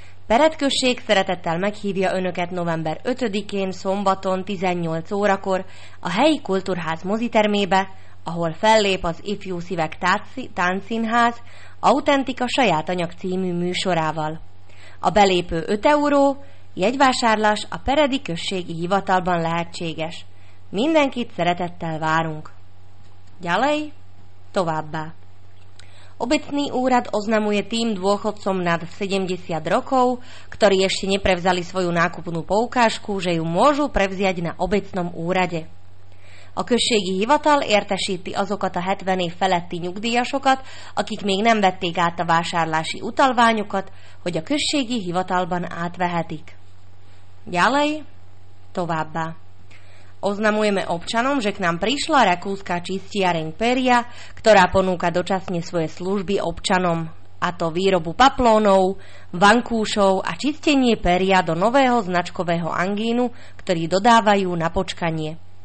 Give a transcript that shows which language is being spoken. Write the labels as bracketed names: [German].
[Hungarian] Peret község szeretettel meghívja Önöket november 5-én szombaton 18 órakor a helyi kultúrház mozitermébe, ahol fellép az Ifjú Szívek Táncszínház Autentika saját anyag című műsorával. A belépő 5 euró, jegyvásárlás a peredi községi hivatalban lehetséges. Mindenkit szeretettel várunk. [Slovak] Gyalej, [Hungarian] továbbá. [Slovak] Obecný úrad oznamuje tým dôchodcom nad 70 rokov, ktorí ešte neprevzali svoju nákupnú poukážku, že ju môžu prevziať na obecnom úrade. [Hungarian] A községi hivatal értesíti azokat a 70 év feletti nyugdíjasokat, akik még nem vették át a vásárlási utalványukat, hogy a községi hivatalban átvehetik. [Slovak] Ďalej, [Hungarian] továbbá. [Slovak] Oznamujeme občanom, že k nám prišla rakúska čistiareň Peria, ktorá ponúka dočasne svoje služby občanom, a to výrobu paplónov, vankúšov a čistenie peria do nového značkového angínu, ktorý dodávajú na počkanie.